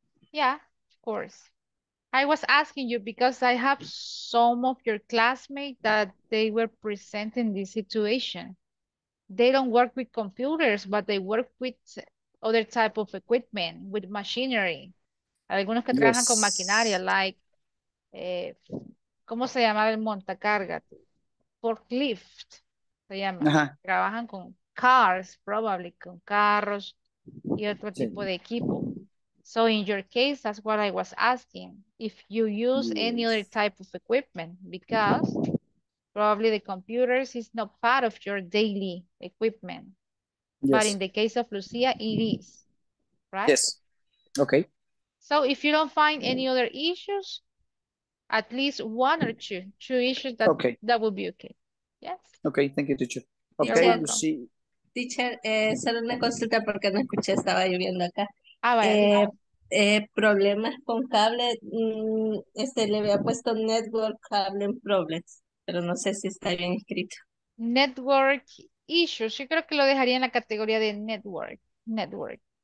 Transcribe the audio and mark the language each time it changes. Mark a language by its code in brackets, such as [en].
[en] Yeah, of course. I was asking you because I have some of your classmates that they were presenting this situation. They don't work with computers, but they work with other type of equipment, with machinery. [es] Algunos que trabajan con maquinaria, like, ¿cómo se llamaba el montacarga? Forklift, se llama. Uh-huh. Trabajan con cars, probably, con carros y otro tipo de equipo. [en] So in your case, that's what I was asking, if you use any other type of equipment, because probably the computers is not part of your daily equipment. Yes. But in the case of Lucia, it is, right? Yes, okay. So if you don't find any other issues, at least one or two issues, that, okay, that would be okay. Yes. Okay, thank you, teacher. Okay, Lucia. [es] Teacher, solo una consulta porque no escuché, estaba lloviendo acá. Ah, vale. Problemas con cable, le había puesto [en] network cable problems, [es] pero no sé si está bien escrito. [en] Network issues, [es] yo creo que lo dejaría en la categoría de network.